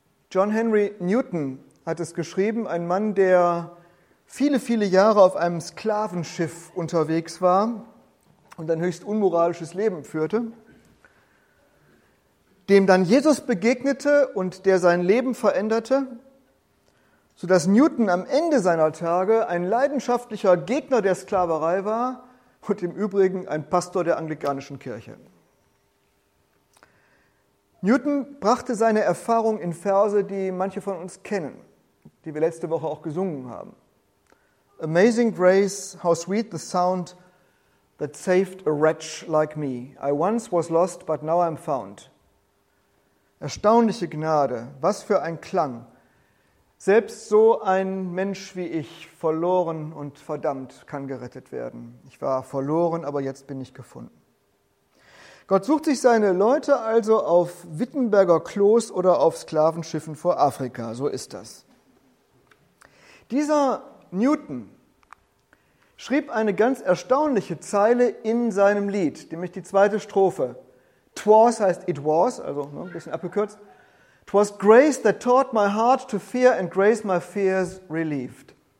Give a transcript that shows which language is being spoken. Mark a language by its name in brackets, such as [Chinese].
[German] John Henry Newton hat es geschrieben, ein Mann, der viele, viele Jahre auf einem Sklavenschiff unterwegs war und ein höchst unmoralisches Leben führte, dem dann Jesus begegnete und der sein Leben veränderte, sodass Newton am Ende seiner Tage ein leidenschaftlicher Gegner der Sklaverei war und im Übrigen ein Pastor der anglikanischen Kirche. Newton brachte seine Erfahrung in Verse, die manche von uns kennen, die wir letzte Woche auch gesungen haben. [English] Amazing grace, how sweet the sound that saved a wretch like me. I once was lost, but now I'm found. [German] Erstaunliche Gnade, was für ein Klang. Selbst so ein Mensch wie ich, verloren und verdammt, kann gerettet werden. Ich war verloren, aber jetzt bin ich gefunden. Gott sucht sich seine Leute also auf Wittenberger Klos oder auf Sklavenschiffen vor Afrika. So ist das. Dieser Newton schrieb eine ganz erstaunliche Zeile in seinem Lied, nämlich die zweite Strophe. "Twas" heißt [English] "it was", [German] also ne, ein bisschen abgekürzt. [English] "Twas grace that taught my heart to fear and grace my fears relieved."